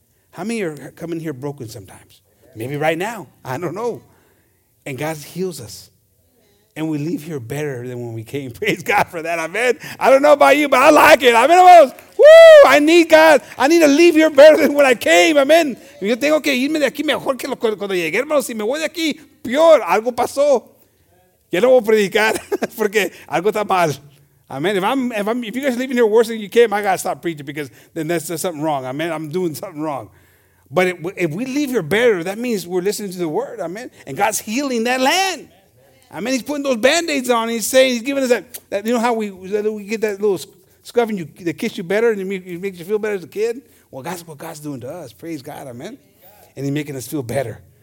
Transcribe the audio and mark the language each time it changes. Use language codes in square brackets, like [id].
[en] How many are coming here broken sometimes? Maybe right now. I don't know. And God heals us. And we leave here better than when we came. Praise God for that. Amen. I don't know about you, but I like it. Amen. Woo! I need God. I need to leave here better than when I came. Amen. [es] Yo tengo que irme de aquí mejor que cuando llegué, hermano. Si me voy de aquí, peor. Algo pasó. Ya no voy a predicar porque algo está mal. Amen. [en] If you guys are leaving here worse than you came, I gotta stop preaching because then that's just something wrong. Amen. I'm doing something wrong. But if we leave here better, that means we're listening to the word. Amen. And God's healing that land. Amen. He's putting those band-aids on. He's saying, he's giving us that you know how we get that little scrub and they kiss you better and it makes you feel better as a kid? Well, that's what God's doing to us. Praise God. Amen. And he's making us feel better.